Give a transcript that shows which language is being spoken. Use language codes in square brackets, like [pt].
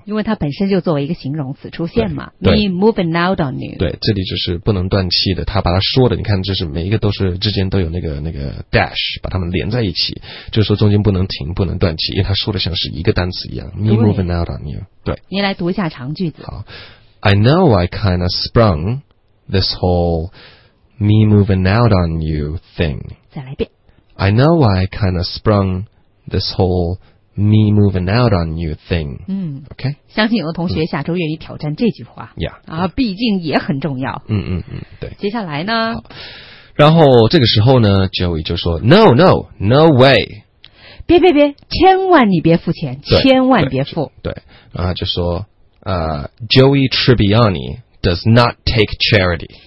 [zh] 因为它本身就作为一个形容词出现嘛。 [en] Me moving out on you。 [zh] 对，这里就是不能断气的，他把它说的，你看，就是每一个都是之间都有那个 dash， 把它们连在一起，就是说中间不能停，不能断气，因为他说的像是一个单词一样。 [en] Me moving out on you。 对， [zh] 您来读一下长句子。好。 [en] I know I kinda sprung this whole me moving out on you thing. [zh] 再来一遍。 [en] I know I kinda sprung this whole me moving out on you thing. 嗯，OK。 [zh] 相信有的同学下周愿意挑战这句话。 Yeah。啊，毕竟也很重要。嗯，对。接下来呢？然后这个时候呢 ，Joey 就说 ： [en] “No way！” [zh] 别，千万你别付钱，千万别付。对，然后就说。 [en] Joey Tribbiani does not take charity.